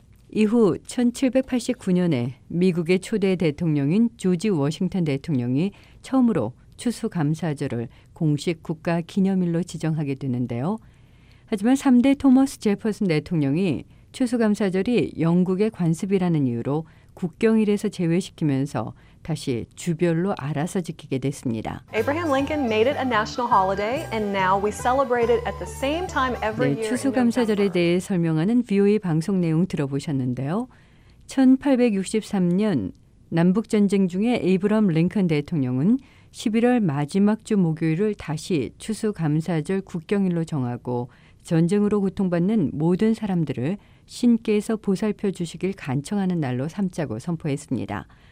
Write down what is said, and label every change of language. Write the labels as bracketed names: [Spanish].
[Korean] 이후 1789년에 미국의 초대 대통령인 조지 워싱턴 대통령이 처음으로 추수감사절을 공식 국가 기념일로 지정하게 되는데요. 하지만 3대 토머스 제퍼슨 대통령이 추수감사절이 영국의 관습이라는 이유로 국경일에서 제외시키면서 다시 주별로 알아서 지키게 됐습니다. [English] Abraham Lincoln made it a national holiday and now we celebrate it at the same time every year. [Korean] 네, 추수감사절에 대해 설명하는 VOA 방송 내용 들어보셨는데요. 1863년 남북전쟁 중에 에이브럼 링컨 대통령은 11월 마지막 주 목요일을 다시 추수감사절 국경일로 정하고 전쟁으로 고통받는 모든 사람들을 신께서 보살펴 주시길 간청하는 날로 삼자고 선포했습니다.